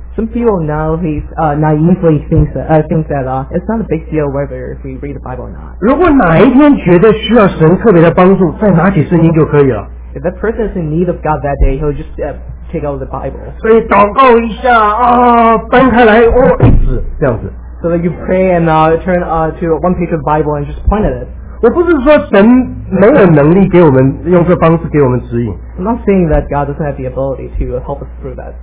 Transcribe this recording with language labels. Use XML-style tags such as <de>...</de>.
<en>Some people nowadays naively think that it's not a big deal whether we read the Bible or not.</en> <zh>如果哪一天觉得需要神特别的帮助，再拿起圣经就可以了。</zh> <en>If that person is in need of God that day, he'll just take out the Bible.</en> <zh>所以祷告一下，搬开来，一指这样子。</zh> <en>So that you pray and turn to one page of the Bible and just point at it.</en> <zh>我不是说神没有能力给我们用这方式给我们指引。</zh> <en>I'm not saying that God doesn't have the ability to help us through that.</en>